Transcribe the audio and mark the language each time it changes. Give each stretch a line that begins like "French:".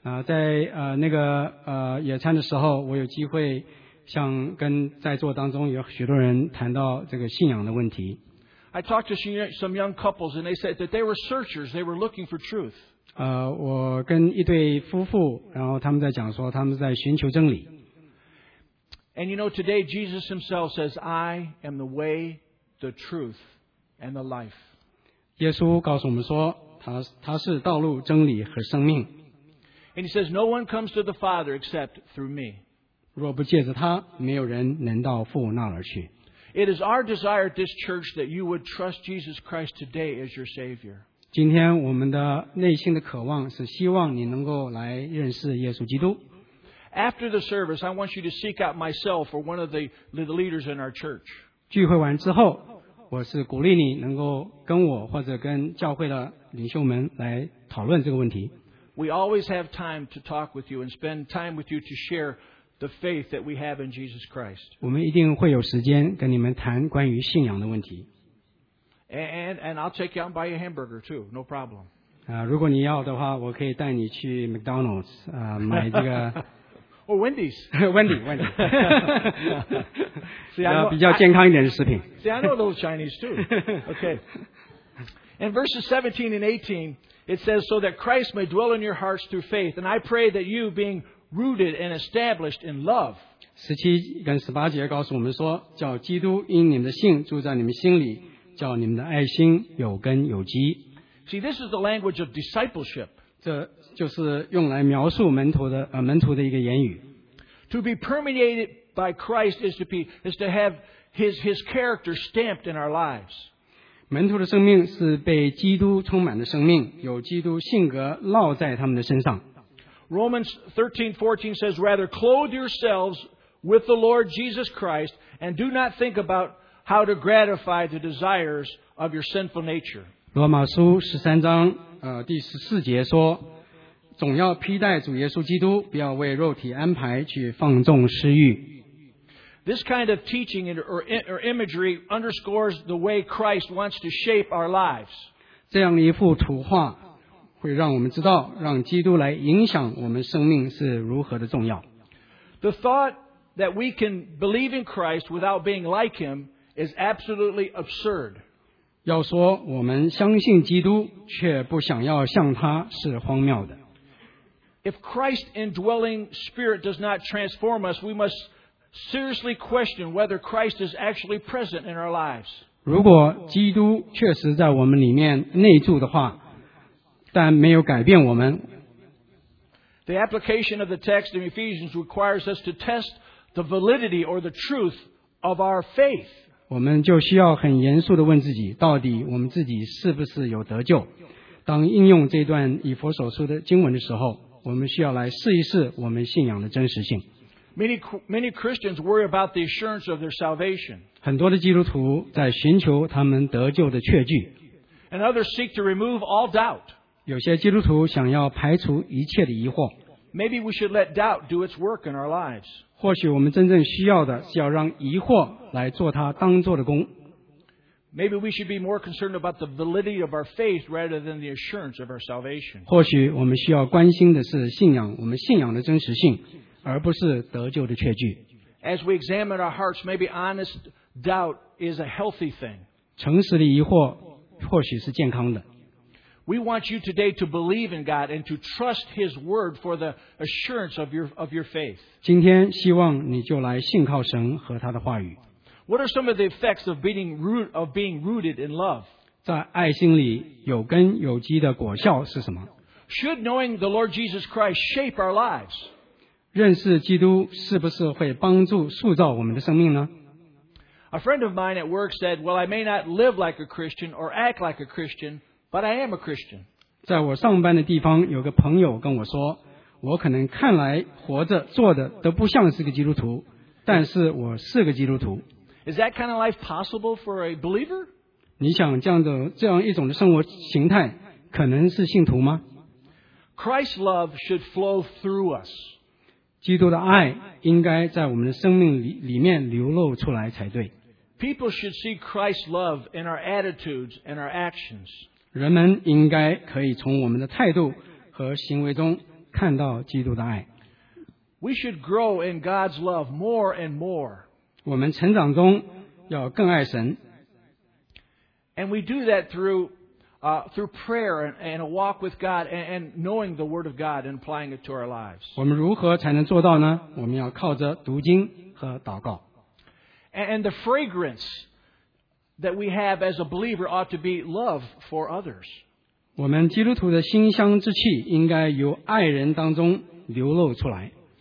Chinese: 在野餐的时候，我有机会像跟在座当中有许多人谈到这个信仰的问题。
English: I talked to some young couples and they said that they were searchers, they were looking for truth.
Chinese: 我跟一对夫妇，然后他们在讲说他们在寻求真理。
English: And you know, today Jesus himself says, I am the way, the truth, and the life.
Chinese: 耶稣告诉我们说，他是道路、真理和生命。
English: And he says, no one comes to the Father except through me.
Chinese: 若不借着他，没有人能到父那儿去。
English: It is our desire at this church that you would trust Jesus Christ today as your Savior.
Chinese: 今天我们的内心的渴望是希望你能够来认识耶稣基督。
English: After the service, I want you to seek out myself or one of the leaders in our church.
Chinese: 聚会完之后，我是鼓励你能够跟我或者跟教会的领袖们来讨论这个问题。
English: We always have time to talk with you and spend time with you to share. The faith that we have in Jesus Christ.
Chinese: 我们一定会有时间跟你们谈关于信仰的问题。
English: And I'll take you out and buy you a hamburger too, no problem.
Chinese: 如果你要的话，我可以带你去 McDonald's 买这个。
English: Or Wendy's. Wendy.
Chinese: 比较健康一点的食品。
English: See, I know a little Chinese too. Okay. In verses 17 and 18, it says, so that Christ may dwell in your hearts through faith, and I pray that you, being rooted and established in love.
Chinese: 十七跟十八节告诉我们说，叫基督因你们的信住在你们心里，叫你们的爱心有根有基。
English: See, this is the language of discipleship.
Chinese: 这就是用来描述门徒的一个言语。
English: To be permeated by Christ is to have his character stamped in our lives.
Chinese: 门徒的生命是被基督充满的生命，有基督性格烙在他们的身上。
English: Romans 13:14 says, rather clothe yourselves with the Lord Jesus Christ and do not think about how to gratify the desires of your sinful nature.
Chinese: 罗马书十三章第十四节说，总要披戴主耶稣基督，不要为肉体安排去放纵私欲。
English: This kind of teaching or imagery underscores the way Christ wants to shape our lives.
Chinese: 这样一幅图画会让我们知道，让基督来影响我们生命是如何的重要。
English: The thought that we can believe in Christ without being like Him is absolutely absurd.
Chinese: 要说我们相信基督却不想要像他是荒谬的。
English: If Christ's indwelling spirit does not transform us, we must seriously question whether Christ is actually present in our lives.
Chinese: 如果基督确实在我们里面内住的话，但没有改变我们。
English: The application of the text in Ephesians requires us to test the validity or the truth of our faith.
Chinese: 我们就需要很严肃地问自己，到底我们自己是不是有得救？当应用这段以弗所书的经文的时候，我们需要来试一试我们信仰的真实性。
English: Many Christians worry about the assurance of their salvation.
Chinese: 很多的基督徒在寻求他们得救的确据。
English: And others seek to remove all doubt.
Chinese: 有些基督徒想要排除一切的疑惑。
English: Maybe we should let doubt do its work in our lives.
Chinese: 或许我们真正需要的是要让疑惑来做他当做的工。
English: Maybe we should be more concerned about the validity of our faith rather than the assurance of our salvation.
Chinese: 或许我们需要关心的是信仰，我们信仰的真实性，而不是得救的确据。
English: As we examine our hearts, maybe honest doubt is a healthy thing.
Chinese: 诚实的疑惑或许是健康的。
English: We want you today to believe in God and to trust His word for the assurance of your faith.
Chinese: 今天希望你就来信靠神和他的话语。
English: What are some of the effects of being rooted in love?
Chinese: 在爱心里有根有基的果效是什么？
English: Should knowing the Lord Jesus Christ shape our lives?
Chinese: 认识基督是不是会帮助塑造我们的生命呢？
English: A friend of mine at work said, well, I may not live like a Christian or act like a Christian, but I am a Christian.
Chinese: 在我上班的地方有个朋友跟我说，我可能看来活着做的都不像是个基督徒，但是我是个基督徒。
English: Is that kind of life possible for a believer?
Chinese: 你想这样一种的生活形态可能是信徒吗？
English: Christ's love should flow through us.
Chinese: 基督的爱应该在我们的生命里面流露出来才对。
English: People should see Christ's love in our attitudes and our actions.
Chinese: 人们应该可以从我们的态度和行为中看到基督的爱。
English: We should grow in God's love more and more.
Chinese: 我们成长中要更爱神。
English: And we do that through prayer and a walk with God and knowing the word of God and applying it to our lives.
Chinese: 我们如何才能做到呢？我们要靠着读经和祷告。
English: And the fragrance that we have as a believer ought to be love for others.
Chinese: 我们基督徒的馨香之气应该由爱人当中流露出来。